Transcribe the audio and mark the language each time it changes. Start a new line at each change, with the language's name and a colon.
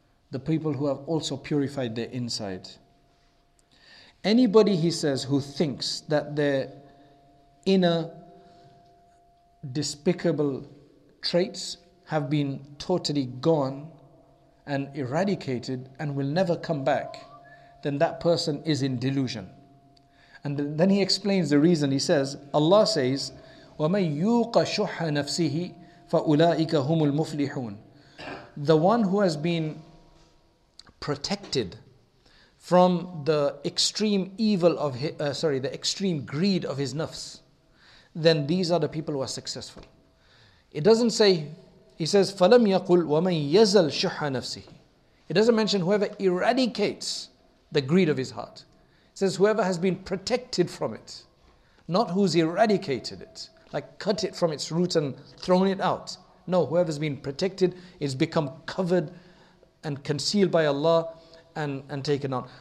English: The people who have also purified their inside. Anybody, he says, who thinks that their inner despicable traits have been totally gone and eradicated and will never come back, then that person is in delusion. And then he explains the reason. He says, Allah says,
Arabic: وَمَنْ يُوقَ شُحَّ نَفْسِهِ فَأُولَٰئِكَ هُمُ الْمُفْلِحُونَ.
English: The one who has been protected from the extreme evil of the extreme greed of his nafs, then these are the people who are successful. It doesn't say, he says,
Arabic: فَلَمْ يَقُلْ وَمَنْ يَزَلْ شُحَّ نَفْسِهِ.
English: It doesn't mention whoever eradicates the greed of his heart. It says whoever has been protected from it, not who's eradicated it, like cut it from its root and thrown it out. No, whoever's been protected, it's become covered and concealed by Allah and taken on.